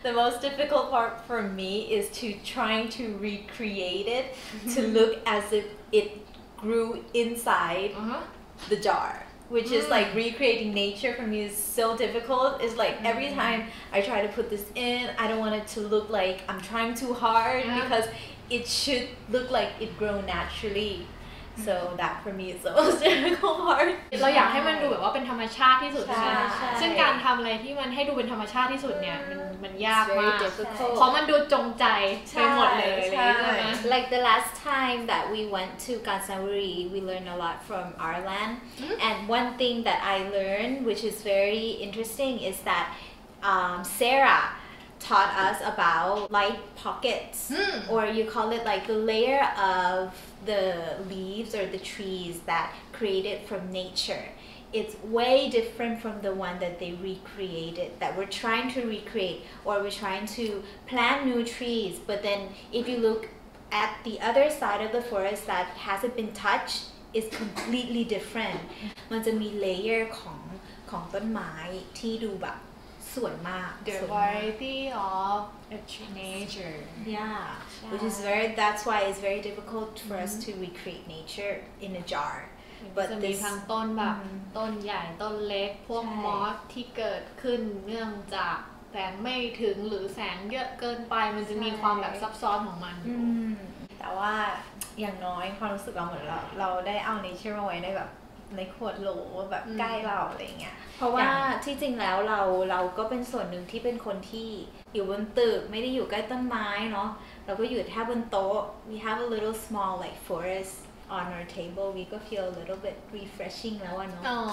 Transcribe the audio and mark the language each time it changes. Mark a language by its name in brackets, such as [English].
[English] The most difficult part for me is to trying to recreate it to look as if it grew inside the jar. Which is like recreating nature for me is so difficult. It's like every time I try to put this in, I don't want it to look like I'm trying too hard because it should look like it grow naturally. So that for me is the most difficult part. [Thai] เราอยากให้มันดูแบบว่าเป็นธรรมชาติที่สุด ใช่ไหม ซึ่งการทำอะไรที่มันให้ดูเป็นธรรมชาติที่สุดเนี่ยมันยากมากเพราะมันดูจงใจไปหมดเลยใช่ไหม [English] Like the last time that we went to Kansanwari, we learned a lot from our land. And one thing that I learned, which is very interesting, is that Sarah taught us about light pockets, or you call it like the layer of the leaves or the trees that created from nature. It's way different from the one that they recreated, that we're trying to recreate, or we're trying to plant new trees. But then if you look at the other side of the forest that hasn't been touched, it's completely different. [Thai] มันจะมีเลเยอร์ของต้นไม้ที่ดูแบบสวยมาก [English] The variety of a nature. Yeah. Which is very, that's why it's very difficult for us to recreate nature in a jar. [Thai] But จะมีทั้งต้นแบบต้นใหญ่ต้นเล็กพวกมอสที่เกิดขึ้นเนื่องจากแสงไม่ถึงหรือแสงเยอะเกินไปมันจะมีความแบบซับซ้อนของมัน แต่ว่าอย่างน้อยความรู้สึกเราเหมือนเราได้เอาnature มาไว้ในแบบในขวดโหลแบบใกล้เราอะไรเงี้ยเพราะว่าที่จริงแล้วเราก็เป็นส่วนหนึ่งที่เป็นคนที่อยู่บนตึกไม่ได้อยู่ใกล้ต้นไม้เนาะเราก็อยู่แค่บนโต๊ะ [English] we have a little small like forest on our table we could feel a little bit refreshing [Thai] แล้วอ่ะเนาะ